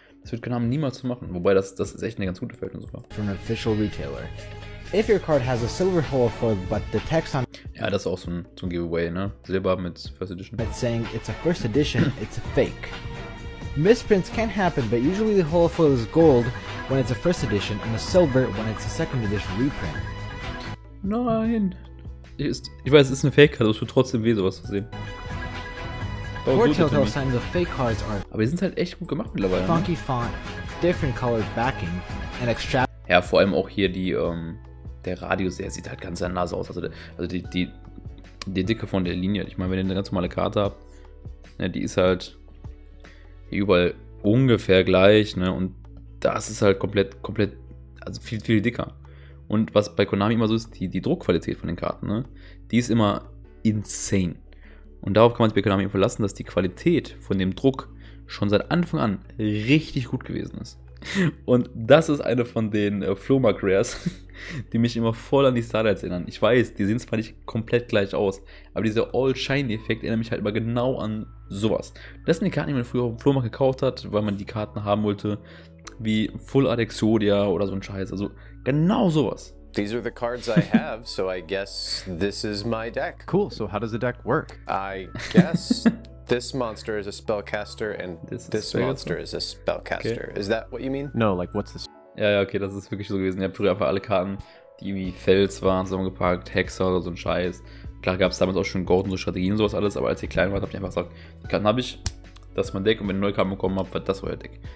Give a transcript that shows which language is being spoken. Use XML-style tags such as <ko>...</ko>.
<de>Das wird keiner niemals zu machen, wobei das ist echt eine ganz gute Fälschung sogar.</de> <en>From an official retailer. If your card has a silver hole for but the text on...</en> <de>Ja, das ist auch so ein Giveaway, ne? Silber mit First Edition.</de> <en>It's saying it's a First Edition, it's a fake. Misprints can happen, but usually the hole foil is gold when it's a first edition and a silver when it's a second edition reprint.</en> <de>Nein! Ich weiß, es ist eine Fake-Karte, aber es tut trotzdem weh, sowas zu sehen.</de> <en>Four telltale signs of fake cards are...</en> <de>Aber die sind halt echt gut gemacht mittlerweile.</de> <en>Funky</en> <de>ne?</de> <en>Font, different colored backing, and extra...</en> <de>Ja, vor allem auch hier die, der Radius, der sieht halt ganz anders aus. Also die Dicke von der Linie. Ich meine, wenn ihr eine ganz normale Karte habt, ja, die ist halt... überall ungefähr gleich, ne, und das ist halt komplett, also viel, viel dicker. Und was bei Konami immer so ist, die Druckqualität von den Karten, ne, die ist immer insane. Und darauf kann man sich bei Konami verlassen, dass die Qualität von dem Druck schon seit Anfang an richtig gut gewesen ist. Und das ist eine von den Flohmarkt Rares, die mich immer voll an die Starlights erinnern. Ich weiß, die sehen zwar nicht komplett gleich aus, aber dieser All-Shiny-Effekt erinnert mich halt immer genau an sowas. Das sind die Karten, die man früher auf dem Flohmarkt gekauft hat, weil man die Karten haben wollte, wie Full Art Exodia oder so ein Scheiß. Also genau sowas.</de> <en>These are the cards I have, so I guess this is my deck. Cool, so how does the deck work? I guess... This monster is a spellcaster, and this monster is a spellcaster. Okay. Is that what you mean? No, like, what's this?</en> <de>Ja, ja, okay, das ist wirklich so gewesen. Ihr habt früher einfach alle Karten, die irgendwie Fels waren, zusammengepackt, Hexer oder so ein Scheiß. Klar gab es damals auch schon Gold und so Strategien und sowas alles, aber als ich klein war, habe ich einfach gesagt, die Karten habe ich, das ist mein Deck und wenn ich neue Karten bekommen habe, war das euer Deck.</de>